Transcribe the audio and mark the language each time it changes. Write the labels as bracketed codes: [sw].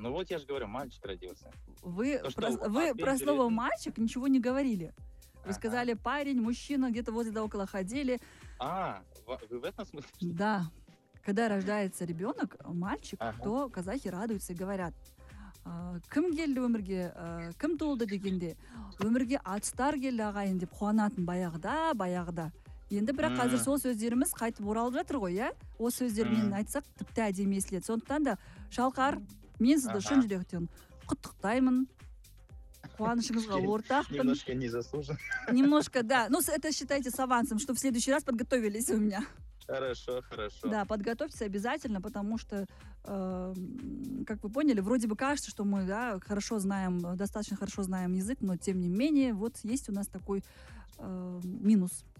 [ru] Ну вот я же говорю, мальчик родился. Вы про слово мальчик ничего не говорили. Вы сказали, парень, мужчина, где-то возле да около ходили. А, вы в этом смысле? Да. Когда рождается ребенок, мальчик, то казахи радуются и говорят. [kk] Кім келді өмірге, кім туылды дегенде, өмірге атстар келді ағайын деп қуанатын баяғыда. Енді бірақ қазір сол сөздеріміз қайтып оралып жатыр ғой, е? Ол сөздермен айтсақ тіпті әдемі естіледі. Сондықтан да, Шалқар, мен сізді шын жүректен құттықтаймын. Қуанышыңызға ортақпын. [ru] Немножко не заслужен. Немножко, да. Ну, это считайте с авансом, что в следующий раз подготовились у меня. Хорошо. Да, подготовьтесь обязательно, потому что, как вы поняли, вроде бы кажется, что мы, да, хорошо знаем, достаточно хорошо знаем язык, но тем не менее, вот есть у нас такой минус.